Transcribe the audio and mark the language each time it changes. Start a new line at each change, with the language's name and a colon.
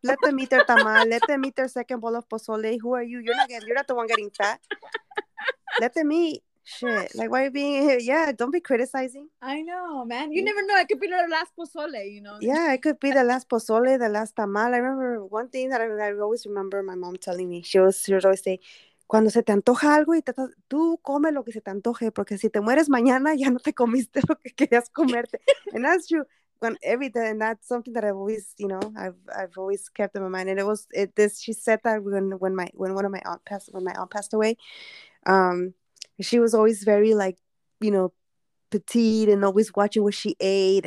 English: Let them eat their tamal. Let them eat their second bowl of pozole. Who are you? You're not the one getting fat. Let them eat. Shit. Like, why are you being here? Yeah, don't be criticizing. I know, man. You never know. It could be the last pozole, Yeah, it could be the last pozole, the last tamal. I remember one thing that I always remember my mom telling me. She would always say,
Spanish: cuando se te antoja algo y tú come lo que se te antoje, porque si te mueres mañana ya no te comiste lo que querías comerte.
English: And that's true. When every day, and that's something that I've always kept in my mind. And it was it this she said that when one of my aunt passed when my aunt passed away, she was always very like, you know, petite and always watching what she ate.